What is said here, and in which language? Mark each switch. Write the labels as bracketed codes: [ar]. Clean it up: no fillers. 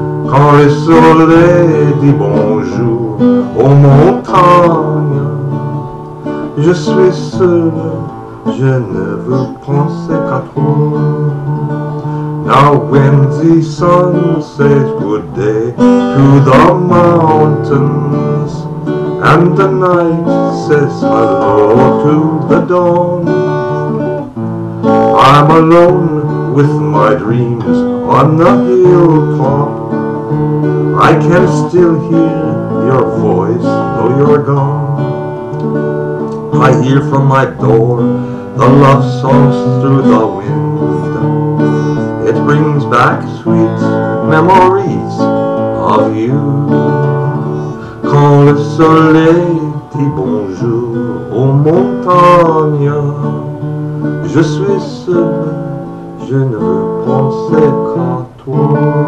[fr] Quand le soleil dit bonjour aux montagnes, je suis seul, je ne veux penser qu'à toi. [en] Now when the sun says good day to the mountains, and the night says hello to the dawn, I'm alone with my dreams on the hilltop. I can still hear your voice though you're gone. I hear from my door the love songs through the wind. It brings back sweet memories of you. [fr] Quand le soleil dit bonjour aux montagnes, je suis seul, je ne veux penser qu'à toi.